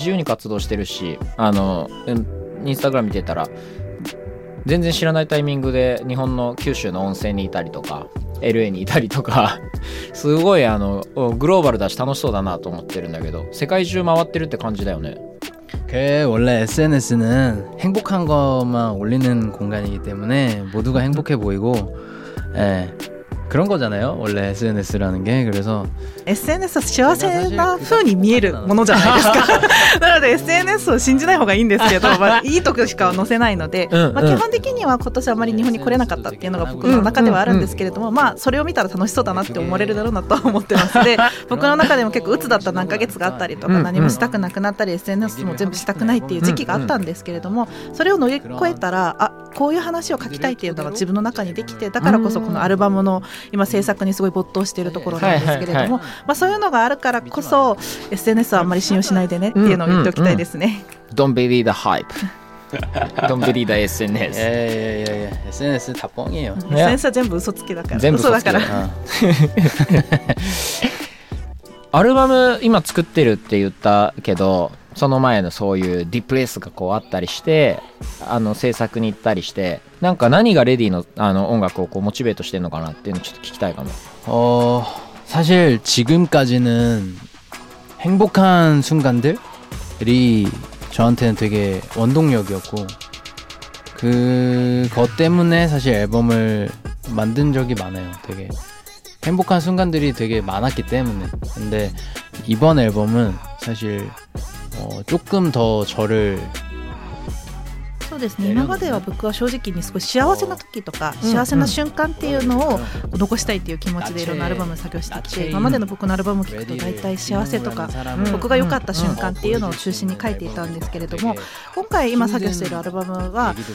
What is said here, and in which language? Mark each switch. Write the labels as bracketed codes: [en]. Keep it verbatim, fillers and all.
[ja] 自由に活動してるし、あのインスタグラム見てたら全然知らないタイミングで日本の九州の温泉にいたりとか エルエー にいたりとかすごいあのグローバルだし楽しそうだなと思ってるんだけど、世界中回ってるって感じだよね。 [ko] 그 원래 에스엔에스는 행복한 것만 올리는 공간이기 때문에 모두가 행복해 보이고 예 그런 거잖아요. 원래 에스엔에스라는 게. 그래서 [ja] 에스엔에스가 幸せな風に見えるものじゃないですか。なので エスエヌエス を信じない方がいいんですけど、まあいい時しか載せないので、まあ基本的には今年あまり日本に来れなかったっていうのが僕の中ではあるんですけれども、まあそれを見たら楽しそうだなって思われるだろうなとは思ってます。で、僕の中でも結構鬱だった何ヶ月があったりとか、何もしたくなくなったり エスエヌエス も全部したくないっていう時期があったんですけれども、それを乗り越えたらあこういう話を書きたいっていうのが自分の中にできて、だからこそこのアルバムの今制作にすごい没頭しているところなんですけれども、はいはいはい、まあ、そういうのがあるからこそ エスエヌエス はあんまり信用しないでねっていうのを言っておきたいですね。 [en] Don't believe the hype Don't read the エスエヌエス [ja] いやいやいやいや [ko] エスエヌエス 다 뻥이에요. [ja] エスエヌエス は全部嘘つきだから。全部嘘だから。アルバム今作ってるって言ったけど、その前のそういうディプレスがこうあったりして、あの制作に行ったりして、なんか何がレディ の, あの音楽をこうモチベートしてるのかなっていうのちょっと聞きたいかも。 [ko] 어 사실 지금까지는 행복한 순간들이 저한테는 되게 원동력이었고 그것 때문에 사실 앨범을 만든 적이 많아요. 되게 행복한 순간들이 되게 많았기 때문에. 근데 이번 앨범은 사실 어, 조금 더 저를 [ja] そうですね、今までは僕は正直にすごい幸せな時とか幸せな瞬間っていうのを残したいっていう気持ちでいろんなアルバムを作業してきて、今までの僕のアルバムを聴くと大体幸せとか僕が良かった瞬間っていうのを中心に書いていたんですけれども、今回今作業しているアルバムは